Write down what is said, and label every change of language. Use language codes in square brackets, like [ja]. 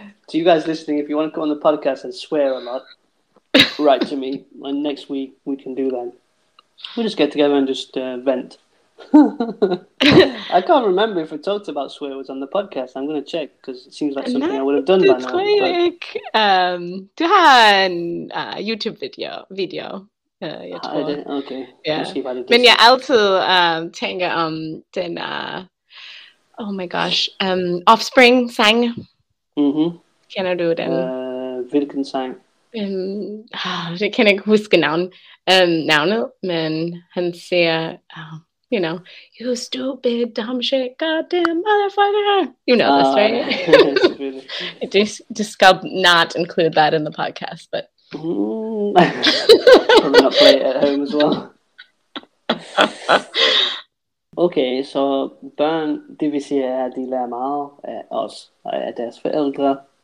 [en] To you guys listening, if you want to come on the podcast and swear a lot, write to me, and next week we can do that. We just get together and just vent. I can't remember if we talked about swear words on the podcast. I'm going to check because it seems like something I would have done by now. To have a YouTube video. Okay. Yeah. [da] Men jeg altid tænker om den [en] oh my gosh, [da] Offspring sang. Mm-hmm. Kender du den? Hvilken sang? Det kan jeg ikke huske navnet, men han siger [en] you know, you stupid dumb shit, goddamn motherfucker. You know this, right? Yeah. just [da] skal [en] not include that in the podcast, but probably not play it at home as well. [da] Okay, så børn, det vil sige, at de lærer meget af os og af deres forældre.